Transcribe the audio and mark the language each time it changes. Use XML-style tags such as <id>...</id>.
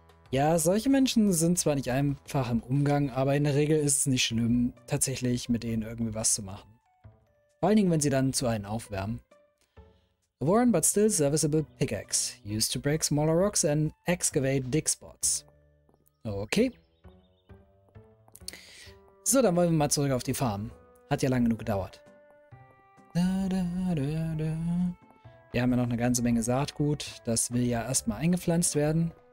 <de>Ja, solche Menschen sind zwar nicht einfach im Umgang, aber in der Regel ist es nicht schlimm, tatsächlich mit denen irgendwie was zu machen. Vor allen Dingen, wenn sie dann zu einem aufwärmen.</de> <en>A worn but still serviceable pickaxe, used to break smaller rocks and excavate dig spots. Okay.</en> <de>So, dann wollen wir mal zurück auf die Farm. Hat ja lange genug gedauert. Wir haben ja noch eine ganze Menge Saatgut, das will ja erstmal eingepflanzt werden.</de>